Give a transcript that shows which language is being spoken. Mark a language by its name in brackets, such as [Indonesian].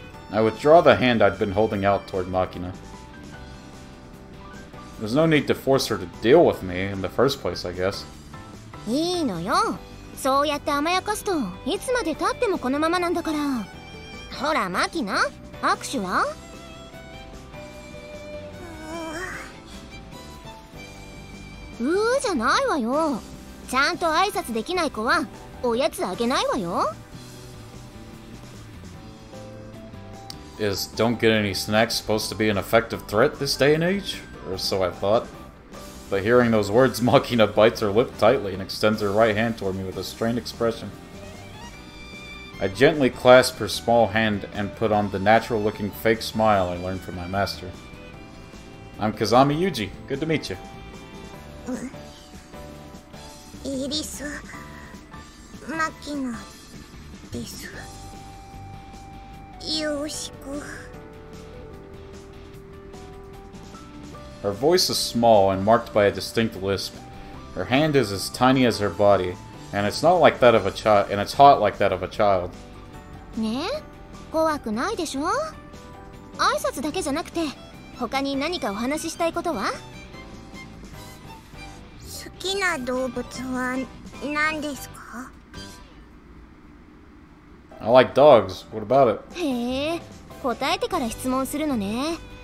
[English] I withdraw the hand I'd been holding out toward Makina. There's no need to force her to deal with me in the first place, I guess. [Japanese] いいのよ。そうやって甘やかすと、いつまで経ってもこのままなんだから。ほら、マキナ、握手は？うーじゃないわよ。ちゃんと挨拶できない子は、おやつあげないわよ。 [English] Is don't get any snacks supposed to be an effective threat this day and age? Or so I thought. But hearing those words, Makina bites her lip tightly and extends her right hand toward me with a strained expression. I gently clasp her small hand and put on the natural-looking fake smile I learned from my master. I'm Kazami Yuji. Good to meet you. [Japanese] イリス・マキナです。よろしく。 [English] Her voice is small and marked by a distinct lisp. Her hand is as tiny as her body, and it's not like that of a child, and it's hot like that of a child. [Japanese] ねえ、怖くないでしょ？挨拶だけじゃなくて、他に何かお話ししたいことは？好きな動物は何ですか？ [English] I like dogs. What about it? [Japanese] へえ、答えてから質問するのね。